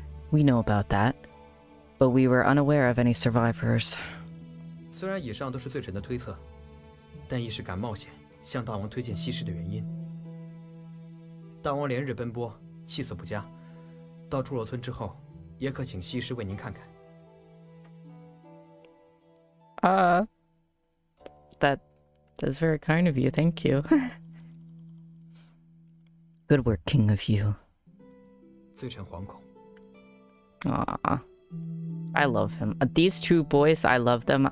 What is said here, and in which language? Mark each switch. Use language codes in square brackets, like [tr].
[en] We know about that, but we were unaware of any survivors. [zh] 虽然以上都是罪臣的推测，但亦是感冒险向大王推荐西施的原因。大王连日奔波，气色不佳，到祝罗村之后，也可请西施为您看看。 [en] That is very kind of you, thank you. Good work, King of You. [zh] 罪臣惶恐。 [en] Aww. I love him. These two boys, I love them.